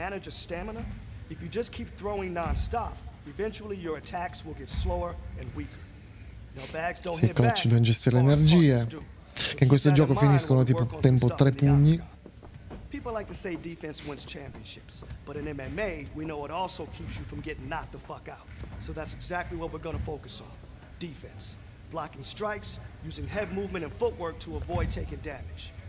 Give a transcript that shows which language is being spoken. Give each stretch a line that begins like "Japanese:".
English: Stamina? If you just keep throwing non-stop, eventually your attacks will get slower and weaker.
Italian: Sì, Coach, dobbiamo gestire le energie. Che in questo gioco finiscono tipo tempo tre pugni.
English: People like to say defense wins championships, but in MMA we know it also keeps you from getting knocked the fuck out. So that's exactly what we're gonna focus on. Defense. Blocking strikes, using head movement and footwork to avoid taking damage.